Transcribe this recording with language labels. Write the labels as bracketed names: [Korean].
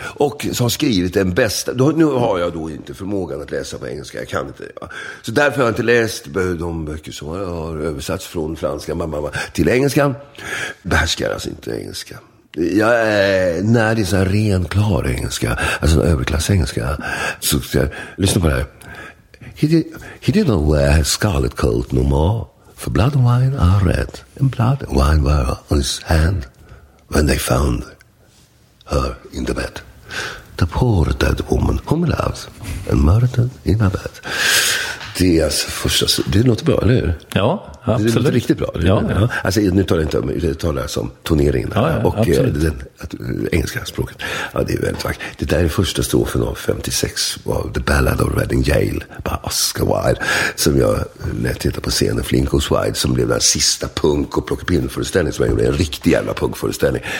[Swedish] Och så har skrivit den bästa. Nu har jag då inte förmågan att läsa på engelska. Jag kan inte. Ja. Så därför har jag inte läst de böcker som har översatts från franska till engelska. Behärskar alltså inte engelska. Ja, när det är så ren klar engelska. Alltså överklass engelska. Så ska jag lyssna på det här. [English] He did not wear his scarlet coat no more, for blood and wine are red, and blood and wine were on his hand when they found her in the bed. The poor dead woman whom he loved and murdered in her bed. [Swedish] Det är alltså första... Det låter bra, eller hur? Ja, absolut. Det låter riktigt bra. Ja, ja. Alltså, nu talar jag inte om... Jag talar om turneringen. Ja, och den, att, engelska språket. Ja, det är väldigt vackert. Det där är första strofen av 56 av The Ballad of Reading Gale på Oscar Wilde, som jag lät titta på scenen Flinkos Wilde, som blev den sista punk- och plockepinn-föreställning som jag gjorde. En riktig jävla punk-föreställning.